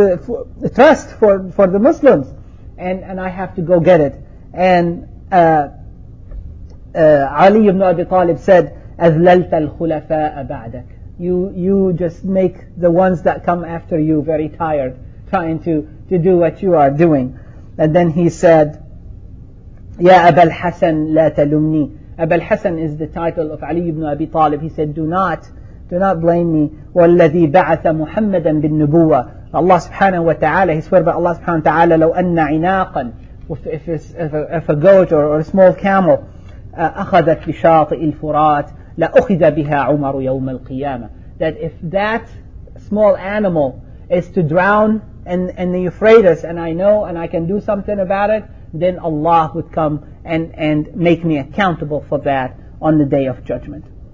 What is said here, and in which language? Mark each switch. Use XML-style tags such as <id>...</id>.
<en>It is something that the trust for the Muslims. And I have to go get it. And Ali ibn Abi Talib said,</en> <ar>أذللت الخلفاء بعدك.</ar> <en>You just make the ones that come after you very tired, trying to do what you are doing. And then he said,</en> <ar>يا أبا الحسن لا تلمني.</ar> <en>أبا الحسن is the title of Ali ibn Abi Talib. He said, Do not blame me.</en> <ar>والذي بعث محمدا بالنبوة.</ar> <en>Allah subhanahu wa ta'ala, he swear by Allah subhanahu wa ta'ala,</en> <ar>لو أن عناقا.</ar> <en>If a goat or a small camel</en> <ar>أخذت بشاطئ الفرات لأخذ بها عمر يوم القيامة.</ar> <en>That if that small animal is to drown in the Euphrates and I know and I can do something about it, then Allah would come and make me accountable for that on the day of judgment.</en>